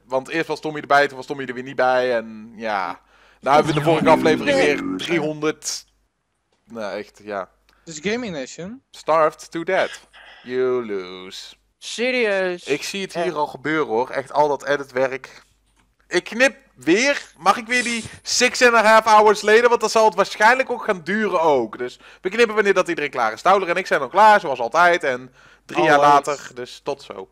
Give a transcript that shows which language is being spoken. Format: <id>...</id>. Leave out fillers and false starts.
<nl>Want eerst was Tommy erbij, toen was Tommy er weer niet bij. En ja, nou hebben we de vorige aflevering weer 300. Nou echt, ja. Dus Gaming Nation?</nl> <en>Starved to death. You lose. Serious?</en> <nl>Ik zie het hier al gebeuren hoor. Echt al dat editwerk. Ik knip weer. Mag ik weer die</nl> <en>6.5 hours later?</en> <nl>Want dat zal het waarschijnlijk ook gaan duren ook. Dus we knippen wanneer dat iedereen klaar is. Stouwler en ik zijn al klaar, zoals altijd. En drie jaar later, dus tot zo.</nl>